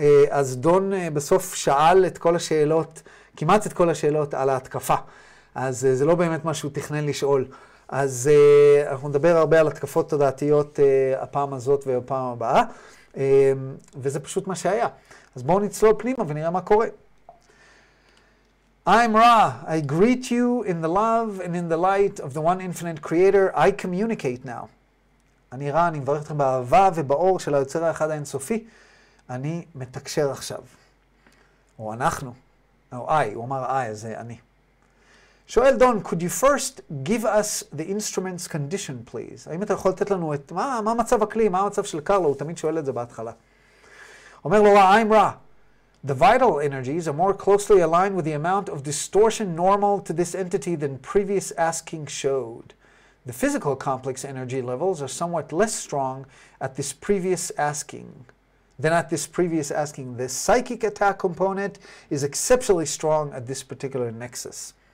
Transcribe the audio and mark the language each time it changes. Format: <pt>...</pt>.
<he>אז דון בסוף שאל את כל השאלות, כמעט את כל השאלות על ההתקפה. אז זה לא באמת מה שהוא תכנן לשאול. אז אנחנו נדבר הרבה על התקפות תודעתיות הפעם הזאת והפעם הבאה. וזה פשוט מה שהיה. אז בואו נצלול פנימה ונראה מה קורה.</he> <en>I am Ra. I greet you in the love and in the light of the one infinite creator. I communicate now.</en> <he>אני רע, אני מברך אתכם באהבה ובאור של היוצר האחד האינסופי. אני מתקשר עכשיו. או אנחנו. או I, הוא אמר I, זה אני. שואל דון,</he> <en>could you first give us the instrument's condition, please?</en> <he>האם אתה יכול לתת לנו את... מה המצב הכלי? מה המצב של קרלו? הוא תמיד שואל את זה בהתחלה. אומר לו, Ra,</he> <en>I'm Ra. The vital energies are more closely aligned with the amount of distortion normal to this entity than previous asking showed. The physical complex energy levels are somewhat less strong at this previous asking. Then at this previous asking, the psychic attack component is exceptionally strong at this particular nexus.</en>